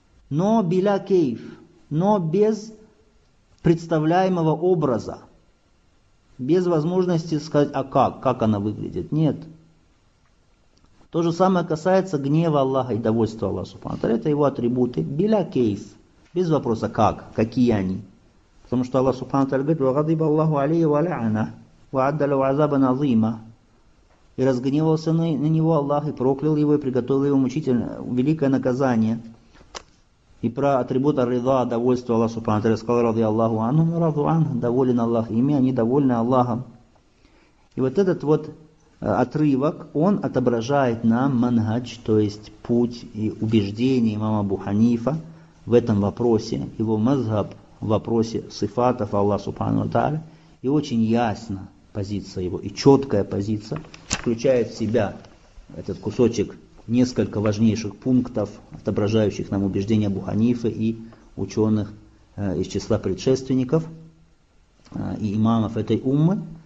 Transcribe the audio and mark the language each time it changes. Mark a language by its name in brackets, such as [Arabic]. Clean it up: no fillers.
[Russian] Но биля кейф, но без представляемого образа. Без возможности сказать, а как она выглядит. Нет. То же самое касается гнева Аллаха и довольства Аллаха Субхану. Это его атрибуты. Биля кейф. Без вопроса, как, какие они. Потому что Аллах Субхану Таля говорит, [Arabic] وَغَضِبَ اللَّهُ عَلَيْهِ وَلَعَنَا وَعَدَّلَهُ عَذَابًا عَظِيمًا. [Russian] И разгневался на него Аллах, и проклял его, и приготовил его мучительное, великое наказание. И про атрибут ар-рида, довольство Аллаха Субхану Таля, сказал, [Arabic] رَضِيَ اللَّهُ عَنْهُ وَرَضُوا عَنْهُ, [Russian] доволен Аллах ими, они довольны Аллахом. И вот этот вот отрывок, он отображает нам манхадж, то есть путь и убеждение имама Абу Ханифа в этом вопросе, его мазхаб в вопросе сифатов Аллаха Субхану Таля, и очень ясна позиция его, и четкая позиция, включает в себя этот кусочек несколько важнейших пунктов, отображающих нам убеждения Абу Ханифы и ученых из числа предшественников и имамов этой уммы.